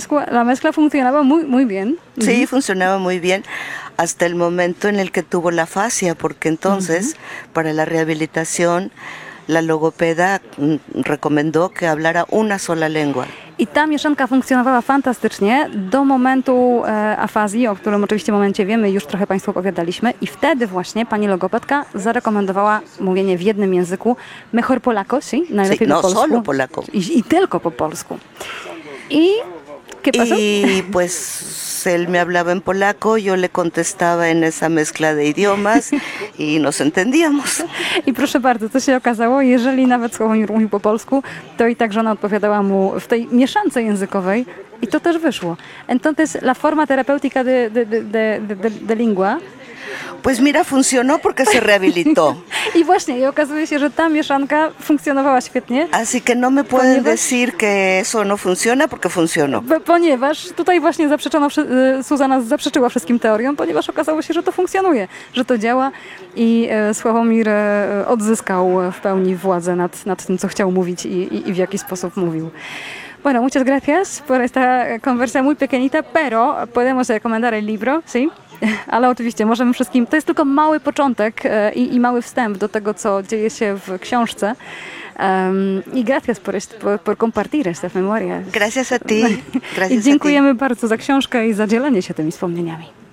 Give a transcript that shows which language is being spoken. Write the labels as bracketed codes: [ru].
[es] La mezcla funcionaba muy bien. Sí, funcionaba muy bien. Hasta el momento en el que tuvo la fascia, porque entonces, para la rehabilitación, la logopeda recomendó que hablara una sola lengua. [pl] I ta mieszanka funkcjonowała fantastycznie do momentu afazji, o którym oczywiście momencie wiemy, już trochę Państwu opowiadaliśmy. I wtedy właśnie pani logopedka zarekomendowała mówienie w jednym języku. [es] Mejor polaco, sí? [pl] Najlepiej [es] sí, no, [pl] po polsku. [es] No, solo polaco. [pl] I tylko po polsku. I... [es] ¿Qué pasó? Y pues él me hablaba en polaco, yo le contestaba en esa mezcla de idiomas y nos entendíamos. [pl] I proszę bardzo, to się okazało, jeżeli nawet Sławomir mówił po polsku, to i tak żona odpowiadała mu w tej mieszance językowej i to też wyszło. [es] Entonces la forma terapéutica de lengua. Pues mira, funcionó porque se rehabilitó. [pl] I właśnie, i okazuje się, że ta mieszanka funkcjonowała świetnie. [es] Así que no me pueden decir que eso no funciona porque funcionó. [pl] Ponieważ tutaj właśnie Zuzanna zaprzeczyła wszystkim teoriom, ponieważ okazało się, że to funkcjonuje, że to działa i Sławomir odzyskał w pełni władzę nad tym, co chciał mówić i w jaki sposób mówił. [es] Bueno, muchas gracias por esta conversa muy pequeñita, pero podemos recomendar el libro, sí? [pl] Ale oczywiście możemy wszystkim, to jest tylko mały początek i mały wstęp do tego, co dzieje się w książce. [es] I gracias por compartir estas memorias. Gracias a ti. [pl] I dziękujemy bardzo za książkę i za dzielenie się tymi wspomnieniami.